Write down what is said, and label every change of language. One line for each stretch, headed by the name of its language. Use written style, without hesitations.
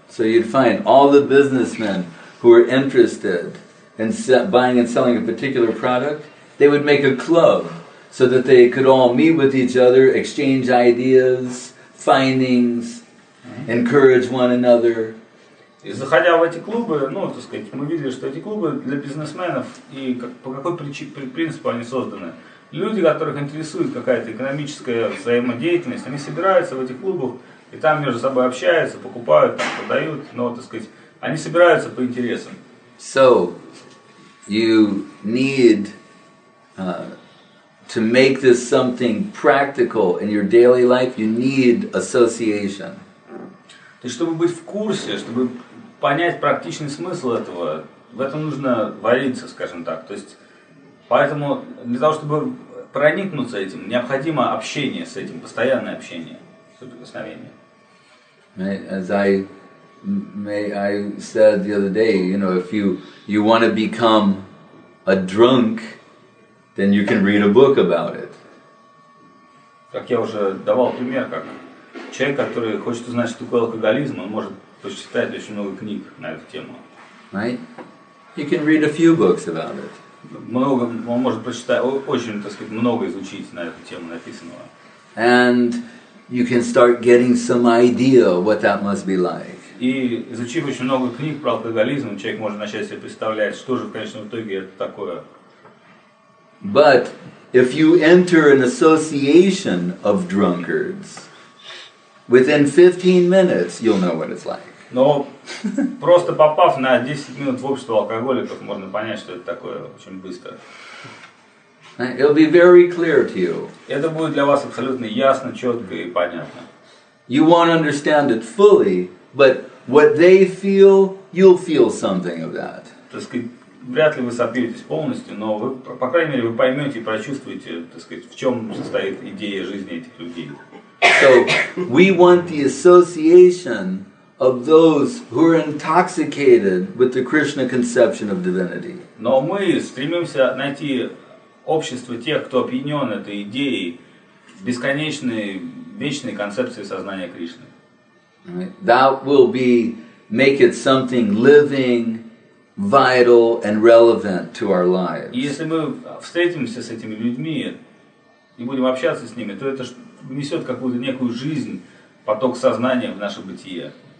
English: So you'd find all the businessmen who were interested and buying and selling a particular product, they would make a club so that they could all meet with each other, exchange ideas, findings, encourage one another.
Russian: И заходя в эти клубы, ну, так сказать, мы видели, что эти клубы для бизнесменов, и как, по какой принципу они созданы. Люди, которых интересует какая-то экономическая взаимодеятельность, они собираются в этих клубах, и там между собой общаются, покупают, там, продают, но, так сказать, они собираются по интересам.
English: So, you need to make this something practical in your daily life, you need association.
Russian: То есть, чтобы быть в курсе, чтобы понять практичный смысл этого, в этом нужно вариться, скажем так. То есть, поэтому для того, чтобы проникнуться этим, необходимо общение с этим, постоянное общение, соприкосновение.
English: As I I said the other day, you know, if you want to become a drunk, then you can read a book about it.
Russian: Как я уже давал пример, как человек, который хочет узнать, что такое алкоголизм, он может прочитать очень много книг на эту тему.
English: Right? You can read a few books about it.
Russian: Много, он может прочитать, очень, так сказать, много изучить на эту тему написанного.
English: And you can start getting some idea what that must be like.
Russian: И изучив очень много книг про алкоголизм, человек может начать себе представлять, что же в конечном итоге это такое.
English: But if you enter an association of drunkards, within 15 minutes you'll know what it's like.
Russian: Но просто попав на 10 минут в общество алкоголиков, можно понять, что это такое очень быстро.
English: It'll be very clear to you.
Russian: Это будет для вас абсолютно ясно, четко и понятно.
English: You won't understand it fully, but what they feel, you'll feel something of that.
Russian: Вряд ли вы сопьетесь полностью, но вы, по крайней мере, вы поймете и прочувствуете, так сказать, в чем состоит идея жизни этих людей.
English: So, we want the association of those who are intoxicated with the Krishna conception of divinity.
Russian: Но мы стремимся найти общество тех, кто опьянен этой идеей бесконечной, вечной концепции сознания Кришны.
English: That will be, make it something living, vital and relevant to our lives.
Russian: Если мы встретимся с этими людьми и будем общаться с ними, то это несет какую-то некую жизнь, поток сознания в наше бытие.